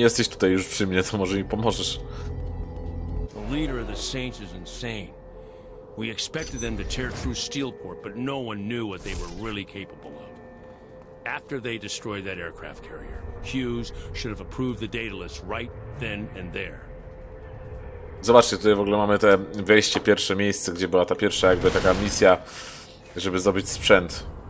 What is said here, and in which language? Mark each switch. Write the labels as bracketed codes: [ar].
[pl] Jesteś tutaj już przy mnie, to może mi pomożesz. [en] The leader of the Saints is insane. We expected them to tear through Steelport, but no one knew what they were really capable of. After they destroyed that aircraft carrier, Hughes should have approved the Daedalus right then and there. [pl] Zobaczcie, tutaj w ogóle mamy te wejście, pierwsze miejsce, gdzie była ta pierwsza jakby taka misja, żeby zdobyć sprzęt.